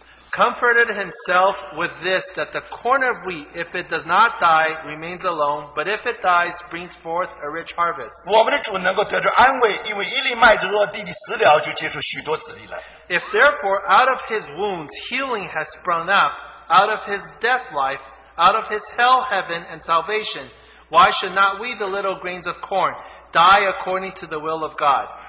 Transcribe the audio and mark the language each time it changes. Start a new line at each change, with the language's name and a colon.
English: comforted himself with this, that the corn of wheat, if it does not die, remains alone, but if it dies, brings forth a rich harvest.
Chinese: 我们的主能够得到安慰，因为一粒麦子若地里死了，就结出许多子粒来。
English: If therefore out of his wounds healing has sprung up, out of his death life, out of his hell heaven and salvation, why should not we, the little grains of corn, die according to the will of God?